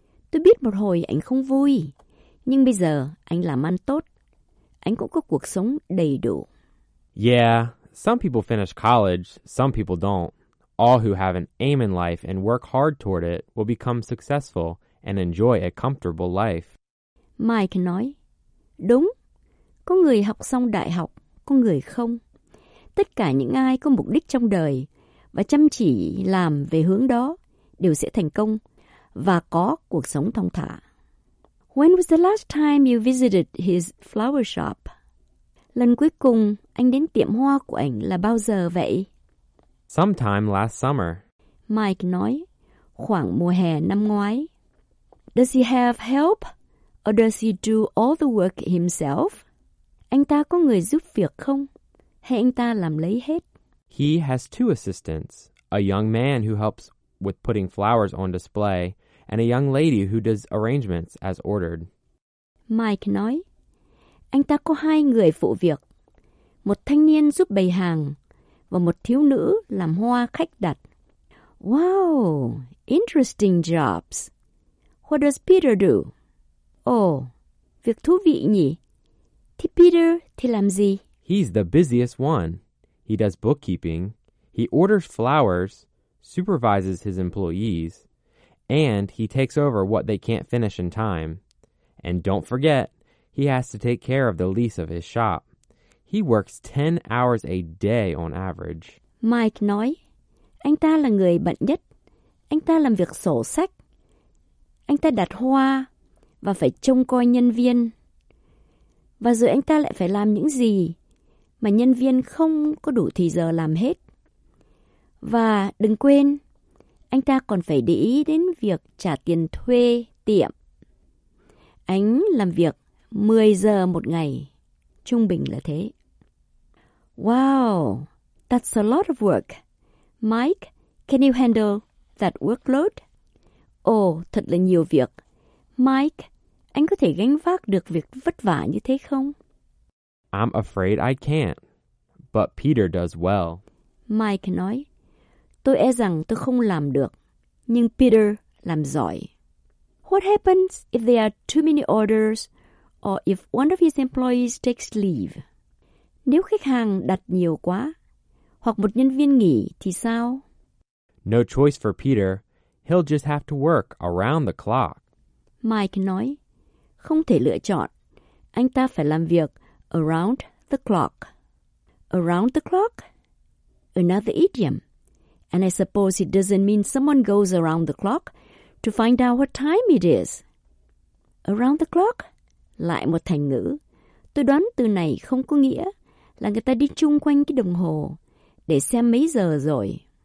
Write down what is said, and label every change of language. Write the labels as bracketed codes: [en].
[vi] Tôi biết một hồi ảnh không vui, nhưng bây giờ anh làm ăn tốt. Anh cũng có cuộc sống đầy đủ. [en] Yeah, some people finish college, some people don't. All who have an aim in life and work hard toward it will become successful and enjoy a comfortable life. [vi] Mike nói, đúng, có người học xong đại học, có người không. Tất cả những ai có mục đích trong đời và chăm chỉ làm về hướng đó đều sẽ thành công và có cuộc sống thong thả. [en] When was the last time you visited his flower shop? [vi] Lần cuối cùng anh đến tiệm hoa của ảnh là bao giờ vậy? [en] Sometime last summer. [vi] Mike nói, khoảng mùa hè năm ngoái. [en] Does he have help? Or does he do all the work himself? [vi] Anh ta có người giúp việc không? Hay anh ta làm lấy hết? [en] He has two assistants. A young man who helps with putting flowers on display and a young lady who does arrangements as ordered. [vi] Mike nói, anh ta có hai người phụ việc. Một thanh niên giúp bày hàng và một thiếu nữ làm hoa khách đặt. [en] Wow, interesting jobs. What does Peter do? [vi] Oh, việc thú vị nhỉ. Thì Peter thì làm gì? [en] He's the busiest one. He does bookkeeping. He orders flowers, supervises his employees, and he takes over what they can't finish in time. And don't forget, he has to take care of the lease of his shop. He works 10 hours a day on average. [vi] Mike nói, anh ta là người bận nhất. Anh ta làm việc sổ sách. Anh ta đặt hoa và phải trông coi nhân viên. Và rồi anh ta lại phải làm những gì mà nhân viên không có đủ thời giờ làm hết. Và đừng quên, anh ta còn phải để ý đến việc trả tiền thuê tiệm. Anh làm việc 10 giờ một ngày. Trung bình là thế. [en] Wow, that's a lot of work. Mike, can you handle that workload? [vi] Oh, thật là nhiều việc. Mike, anh có thể gánh vác được việc vất vả như thế không? [en] I'm afraid I can't, but Peter does well. [vi] Mike nói, tôi e rằng tôi không làm được, nhưng Peter làm giỏi. [en] What happens if there are too many orders or if one of his employees takes leave? [vi] Nếu khách hàng đặt nhiều quá, hoặc một nhân viên nghỉ thì sao? [en] No choice for Peter. He'll just have to work around the clock. [vi] Mike nói, không thể lựa chọn. Anh ta phải làm việc [en] around the clock. Around the clock? Another idiom. And I suppose it doesn't mean someone goes around the clock to find out what time it is. Around the clock? [vi] Lại một thành ngữ. Tôi đoán từ này không có nghĩa là người ta đi chung quanh cái đồng hồ để xem mấy giờ rồi.